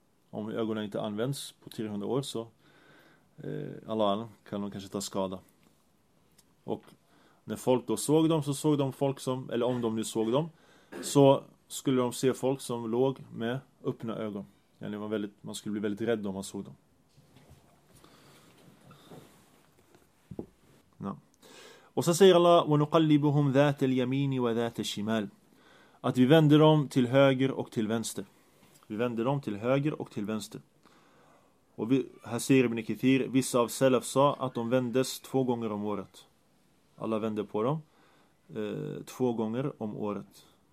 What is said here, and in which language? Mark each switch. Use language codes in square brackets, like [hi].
[sv] Om ögonen inte används på 300 år så Allah kan de kanske ta skada. Och när folk då såg dem så såg de folk som, eller om de nu såg dem, så skulle de se folk som låg med öppna ögon. Yani man skulle bli väldigt rädd om man såg dem. Ja. Och så säger [ar] Allah وَنُقَلِّبُهُمْ ذَاتَ الْيَمِينِ وَذَاتَ الشِّمَالِ. [sv] Att vi vänder dem till höger och till vänster. Vi vänder dem till höger och till vänster. Och här säger Ibn Kathir, vissa av Salaf sa att de vändes två gånger om året. Alla vände på dem två gånger om året.